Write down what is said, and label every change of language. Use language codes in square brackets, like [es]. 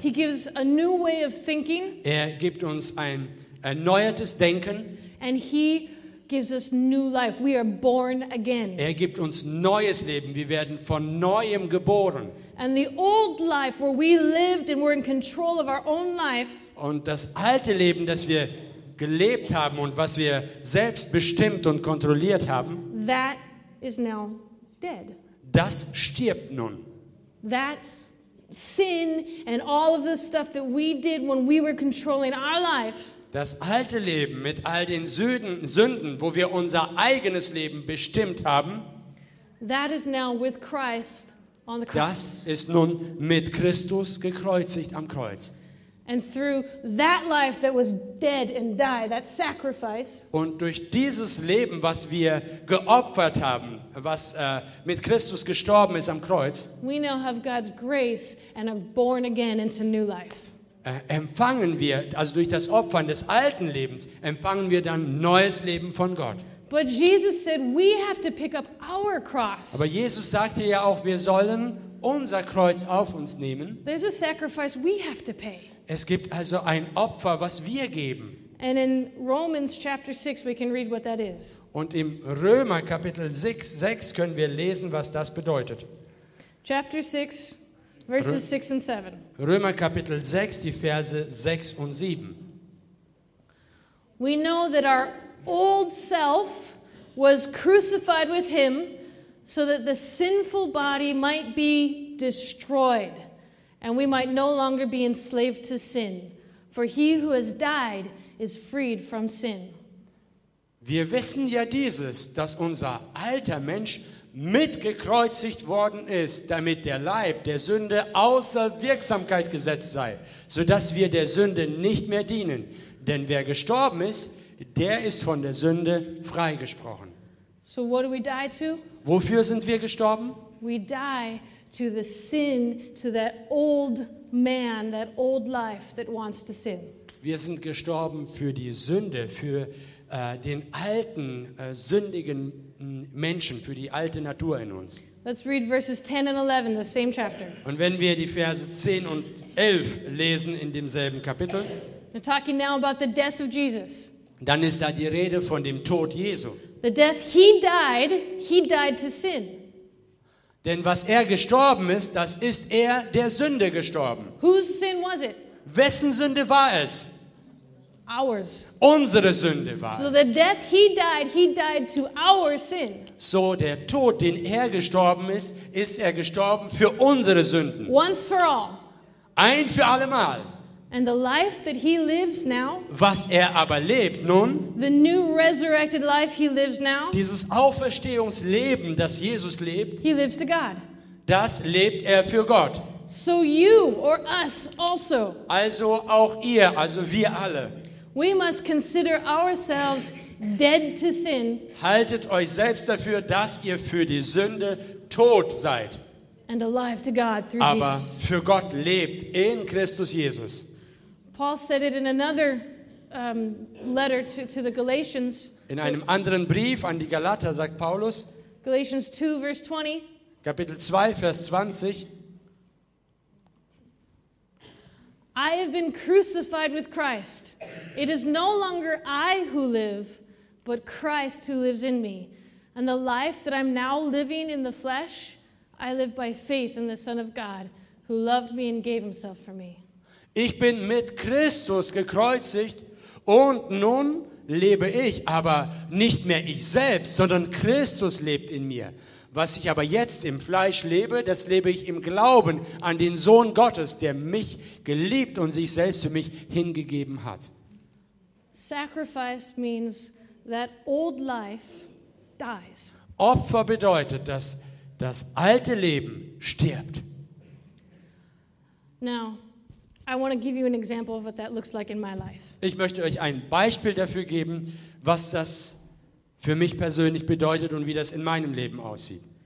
[en] He gives a new way of thinking. [de] Er gibt uns ein erneuertes Denken. [en] And he gives us new life. We are born again. [de] Er gibt uns neues Leben. Wir werden von neuem geboren. [en] And the old life where we lived and were in control of our own life. [de] Und das alte Leben, das wir gelebt haben und was wir selbst bestimmt und kontrolliert haben, [en] that is now dead. [de] Das stirbt nun. [en] That sin and all of the stuff that we did when we were controlling our life. [de] Das alte Leben mit all den Sünden, wo wir unser eigenes Leben bestimmt haben, [en] that is now with Christ on the cross. [de] Das ist nun mit Christus gekreuzigt am Kreuz. [en] And through that life that was dead and died, that sacrifice. [de] Und durch dieses Leben, was wir geopfert haben, was mit Christus gestorben ist am Kreuz. [en] We now have God's grace and are born again into new life. [de] Empfangen wir, also durch das Opfern des alten Lebens, empfangen wir dann neues Leben von Gott. [en] But Jesus said we have to pick up our cross. [de] Aber Jesus sagte ja auch, wir sollen unser Kreuz auf uns nehmen. [en] There's a sacrifice we have to pay. [de] Es gibt also ein Opfer, was wir geben. [en] And in Romans chapter 6 we can read what that is. [de] Und im Römer Kapitel 6 können wir lesen, was das bedeutet. [en] Chapter 6 verses 6 and 7. [de] Römer Kapitel 6, die Verse 6 und 7. [en] We know that our old self was crucified with him so that the sinful body might be destroyed. And we might no longer be enslaved to sin. For he who has died is freed from sin. [de] Wir wissen ja dieses, dass unser alter Mensch mitgekreuzigt worden ist, damit der Leib der Sünde außer Wirksamkeit gesetzt sei, sodass wir der Sünde nicht mehr dienen. Denn wer gestorben ist, der ist von der Sünde freigesprochen. [en] So what do we die to? [de] Wofür sind wir gestorben? [en] We die to the sin, to that old man, that old life that wants to sin. [de] Wir sind gestorben für die Sünde, für den alten sündigen Menschen, für die alte Natur in uns. [en] Let's read verses 10 and 11, the same chapter. [de] Und wenn wir die Verse 10 und 11 lesen in demselben Kapitel. [en] We're talking now about the death of Jesus. [de] Dann ist da die Rede von dem Tod Jesu. [en] The death he died to sin. [de] Denn was er gestorben ist, das ist er der Sünde gestorben. [en] Whose sin was it? [de] Wessen Sünde war es? [en] Ours. [de] Unsere Sünde war es. [en] So the death he died to our sin. [de] So der Tod, den er gestorben ist er gestorben für unsere Sünden. [en] Once for all. [de] Ein für allemal. [en] And the life that he lives now, [de] was er aber lebt nun, [en] the new resurrected life he lives now, [de] dieses Auferstehungsleben, das Jesus lebt, [en] he lives to God. [de] Das lebt er für Gott. [en] So you or us also, [de] also auch ihr, also wir alle, [en] we must consider ourselves dead to sin. [de] Haltet euch selbst dafür, dass ihr für die Sünde tot seid. [en] And alive to God through [de] aber [en] Jesus. [de] Für Gott lebt in Christus Jesus. [en] Paul said it in another letter to the Galatians. [de] In einem anderen Brief an die Galater sagt Paulus. [en] Galatians 2 verse 20. [de] Kapitel 2 Vers 20. [en] I have been crucified with Christ. It is no longer I who live, but Christ who lives in me. And the life that I'm now living in the flesh, I live by faith in the Son of God, who loved me and gave himself for me. [de] Ich bin mit Christus gekreuzigt und nun lebe ich, aber nicht mehr ich selbst, sondern Christus lebt in mir. Was ich aber jetzt im Fleisch lebe, das lebe ich im Glauben an den Sohn Gottes, der mich geliebt und sich selbst für mich hingegeben hat. [en] Sacrifice means that old life dies. [de] Opfer bedeutet, dass das alte Leben stirbt. [en] Now, I want to give you an example of what that looks like in my life. [de] Ich möchte euch ein Beispiel dafür geben, was das für mich persönlich bedeutet und wie das in meinem Leben aussieht.